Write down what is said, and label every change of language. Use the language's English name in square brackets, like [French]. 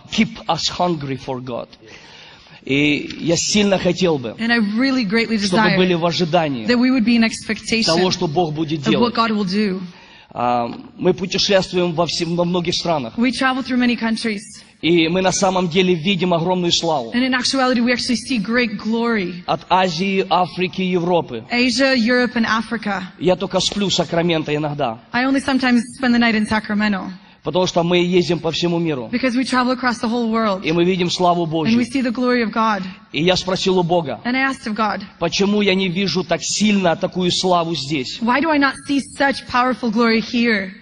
[English] Keep us hungry for God. [Russian] И я сильно хотел бы, [English] and I really greatly desire, [Russian] чтобы были в ожидании [English] that we would be in expectation [Russian] того, что Бог будет делать. [English] Of what God will do. [Russian] Мы путешествуем во многих странах. [English] We travel through many countries. [Russian] И мы на самом деле видим огромную славу. [English] And in actuality, we actually see great glory. [Russian] От Азии, Африки, Европы. [English] Asia, Europe, and Africa. [Russian] Я только сплю в Сакраменто иногда. [English] I only sometimes spend the night in Sacramento. [Russian] Потому что мы ездим по всему миру. [English] Because we travel across the whole world. [Russian] И мы видим славу Божью. [English] And we see the glory of God. [Russian] И я спросил у Бога. [English] And I asked of God. [Russian] Почему я не вижу так сильно такую славу здесь? [English] Why do I not see such powerful glory here?